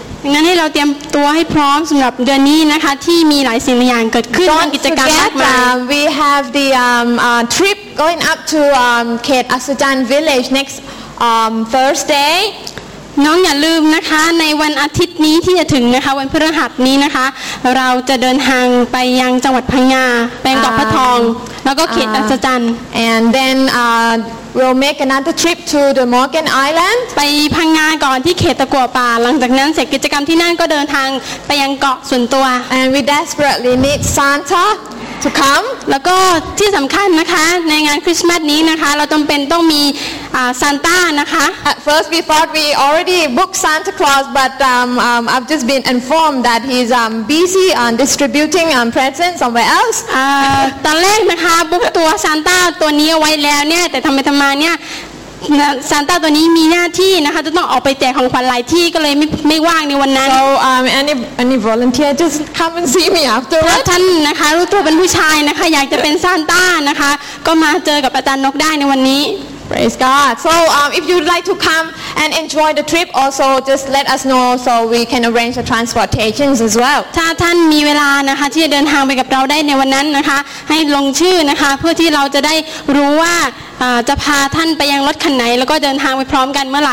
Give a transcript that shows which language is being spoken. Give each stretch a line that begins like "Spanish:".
Thai: ดังนั้นให้เราเตรียมตัวให้พร้อมสำหรับเดือนนี้นะคะที่มีหลายสิ่งหลายอย่างเกิดขึ้นมีกิจกรรมมากมาย
English: we have the trip going up to Khet Asajan village nextThursday
Thai: น้องอย่าลืมนะคะในวันอาทิตย์นี้ที่จะถึงนะคะวันพฤหัสนี้นะคะเราจะเดินทางไปยังจังหวัดพังงาแปลงเกาะพระทองแล้วก็เขตอัศจรรย์
English: and then we'll make another trip to the Morgan Island
Thai: ไปพังงาก่อนที่เขตตะกั่วป่าหลังจากนั้นเสร็จกิจกรรมที่นั่นก็เดินทางไปยังเกาะส่วนตัว
English: and we desperately need Santa
Thai: แล้วก็ที่สำคัญนะคะในงานคริสต์มาสนี้นะคะเราจำเป็นต้องมีซานต้านะคะ
English: At first we thought we already booked Santa Claus but I've just been informed that he's busy on distributing presents somewhere else
Thai: ตอนแรกนะคะบุ๊กตัวซานต้าตัวนี้ไว้แล้วเนี่ยแต่ทำไปทำมาเนี่ยซานต้าตัวนี้มีหน้าที่นะคะจะต้องออกไปแจกของขวัญหลายที่ก็เลยไม่ว่างในวันนั้น
English: So any volunteer just come and see me after
Thai: ท่านนะคะรู้ตัวเป็นผู้ชายนะคะอยากจะเป็นซานต้านะคะก็มาเจอกับอาจารย์นกได้ในวันนี้
English: Praise God So if you'd like to come and enjoy the trip also just let us know so we can arrange the transportations as well
Thai: ถ้าท่านมีเวลานะคะที่จะเดินทางไปกับเราได้ในวันนั้นนะคะให้ลงชื่อนะคะเพื่อที่เราจะได้รู้ว่าจะพาท่านไปยังรถคันไหนแล้วก็เดินทางไปพร้อมกันเมื่อไหร